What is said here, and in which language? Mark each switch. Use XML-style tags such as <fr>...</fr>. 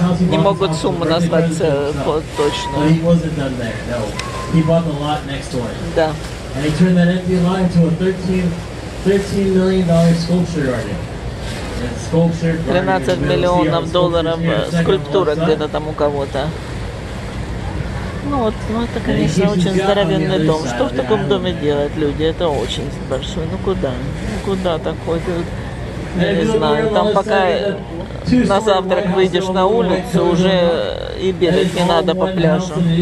<ru>Не могут сумму назвать точно.</ru> <en>he bought the lot next door. Yeah. And he turned that empty lot into a $13 million sculpture garden.</en> <ru>$13 миллионов скульптура где-то там у кого-то. Ну вот, ну это, конечно, очень здоровенный дом. Что в таком доме делают люди? Это очень большой. Ну куда? Куда такой? Я не знаю. Там пока на завтрак выйдешь на улицу, уже и бегать не надо по пляжу.</ru>